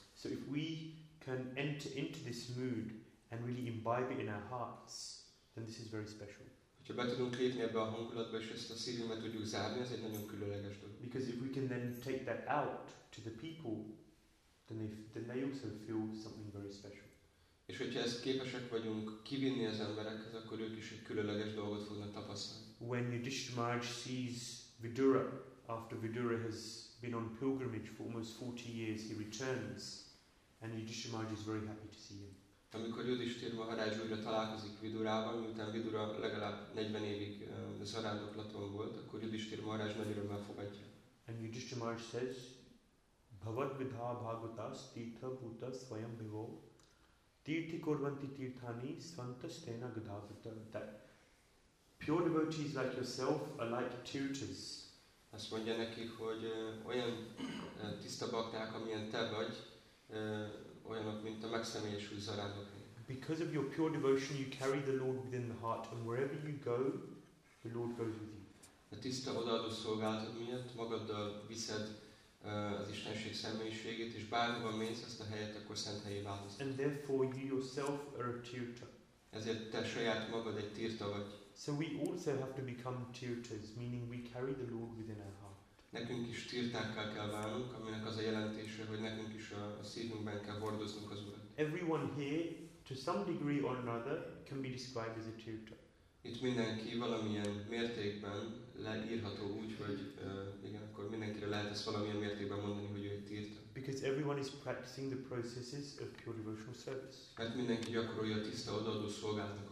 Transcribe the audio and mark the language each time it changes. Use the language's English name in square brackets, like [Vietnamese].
[English] So if we can enter into this mood and really imbibe it in our hearts, then this is very special. [Hungarian] Ha be tudunk lépni ebbe a hangulatba, és ezt a szívünkbe tudjuk zárni, ez egy nagyon különleges dolog. [English] Because if we can then take that out to the people, then they also feel something very special. [Hungarian] És hogyha ezt képesek vagyunk kivinni az emberekhez, akkor ők is egy különleges dolgot fognak tapasztalni. [English] When Yudhishthira Maharaj sees Vidura, after Vidura has been on pilgrimage for almost 40 years, he returns, and Yudhishthira Maharaj is very happy to see him. [Hungarian] Amikor Yudhishthira Maharaj újra találkozik Vidurával, miután Vidura legalább 40 évig zarándoklaton volt, akkor Yudhishthira Maharaj nagy örömmel fogadja. [English] And Yudhishthira Maharaj says, [Sanskrit] Bhavad vidha bhagvata stitha bhuta svayam bhivo tirthi korvanti tirthani svantasthena gadhavata, [English] that pure devotees like yourself are like tirthas. [Hungarian] Azt mondja neki, hogy olyan tiszta bakták, amilyen te vagy, olyanok, mint a megszemélyesült zarándoklatok. [English] Because of your pure devotion, you carry the Lord within the heart, and wherever you go, the Lord goes with you. [Hungarian] A tiszta odaadó szolgálatod miatt magaddal viszed az Istenség személyiségét, és bárhova mész, ezt a helyet akkor szent helyé válasz. [English] And therefore you yourself are a tirtha. [Hungarian] Ezért te saját magad egy tirtha vagy. [English] So we also have to become tirthas, meaning we carry the Lord within our heart. [Hungarian] Nekünk is tirtákká kell válnunk, aminek az a jelentése, hogy nekünk is a szívünkben kell hordoznunk az Urat. [English] Everyone here, to some degree or another, can be described as a tirtha. [Hungarian] Itt mindenki valamilyen mértékben leírható úgy, hogy igen, akkor mindenkire lehet ezt valamilyen mértékben mondani, hogy ő egy tirtha. [English] Because everyone is practicing the processes of pure devotional service. [Hungarian] Mert mindenki gyakorolja a tiszta odaadó szolgálatnak a